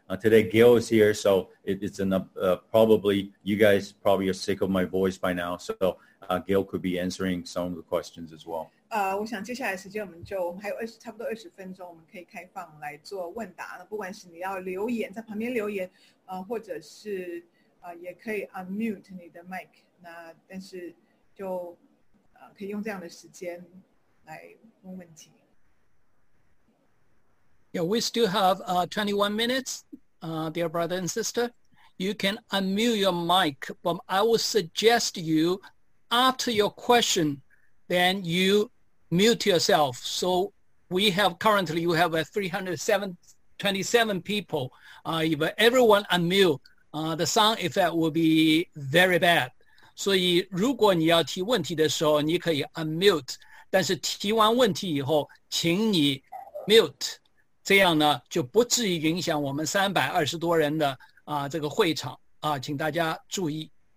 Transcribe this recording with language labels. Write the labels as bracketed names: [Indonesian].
[English] Today, Gail is here, so it's probably, you guys probably are sick of my voice by now, so Gail could be answering some of the questions as well. [Chinese] 我想接下来时间我们就还有差不多20分钟，我们可以开放来做问答。不管是你要留言，在旁边留言，或者是也可以 unmute 你的 mic, 那但是就可以用这样的时间来问问题。 [English] Yeah, we still have 21 minutes, dear brother and sister. You can unmute your mic, but I will suggest you, after your question, then you mute yourself. So we have currently, you have a 327 people. If everyone unmute, the sound effect will be very bad. [Chinese] 所以如果你要提问题的时候，你可以 unmute，但是提完问题以后，请你 mute，这样呢就不至于影响我们320多人的这个会场啊，请大家注意。